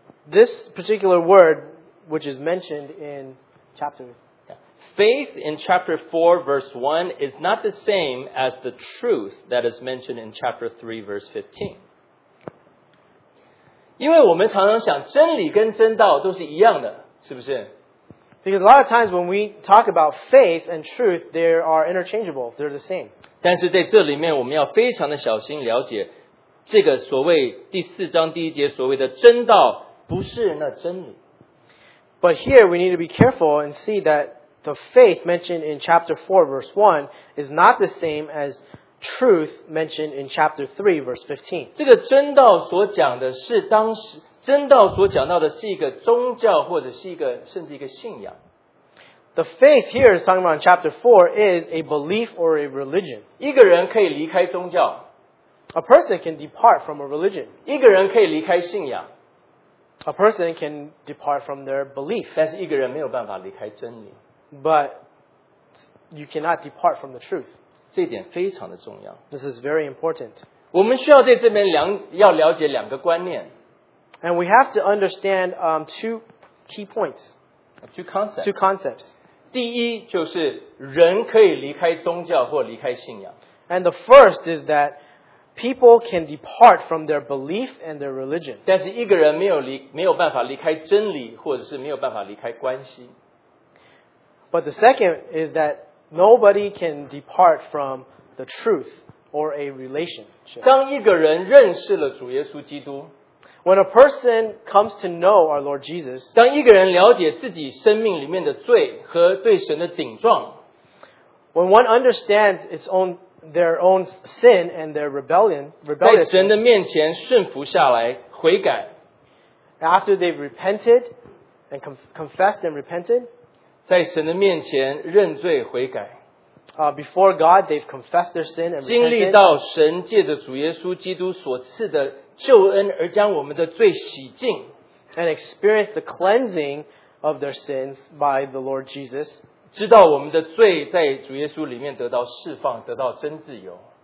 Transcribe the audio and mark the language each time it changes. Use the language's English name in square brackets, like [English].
[English] This particular word, which is mentioned in chapter... Faith in chapter 4, verse 1 is not the same as the truth that is mentioned in chapter 3, verse 15. [Chinese] 因为我们常常想真理跟真道都是一样的，是不是？ [English] Because a lot of times when we talk about faith and truth, they are interchangeable, they're the same. [Chinese] 但是在这里面我们要非常的小心了解这个所谓第四章第一节所谓的真道不是那真理。 [English] But here we need to be careful and see that the faith mentioned in chapter 4 verse 1 is not the same as truth mentioned in chapter 3 verse 15. [Chinese] 这个真道所讲的是当时真道所讲到的是一个宗教或者是一个甚至一个信仰。 [English] The faith here is talking about in chapter 4 is a belief or a religion. [Chinese] 一个人可以离开宗教。 [English] A person can depart from a religion. [Chinese] 一个人可以离开信仰。 [English] A person can depart from their belief. [Chinese] 但是一个人没有办法离开真理。 [English] But you cannot depart from the truth. [Chinese] 这点非常的重要。 [English] This is very important. [Chinese] 我们需要在这边要了解两个观念。 [English] And we have to understand two key points. Two concepts. Two concepts. [Chinese] 第一就是人可以离开宗教或离开信仰。 [English] And the first is that people can depart from their belief and their religion. [Chinese] 但是一个人没有办法离开真理或者是没有办法离开关系。 [English] But the second is that nobody can depart from the truth or a relationship. [Chinese] 当一个人认识了主耶稣基督。 [English] When a person comes to know our Lord Jesus, [Chinese] 当一个人了解自己生命里面的罪和对神的顶撞， [English] When one understands its own, their own sin and their rebellion, [Chinese] 在神的面前顺服下来悔改， [English] After they've repented and confessed and repented, [Chinese] 在神的面前认罪悔改， [English] Before God, they've confessed their sin and repented, [Chinese] 经历到神借着主耶稣基督所赐的救恩而将我们的罪洗净 [English] and experience the cleansing of their sins by the Lord Jesus, [Chinese] 知道我们的罪在主耶稣里面得到释放，得到真自由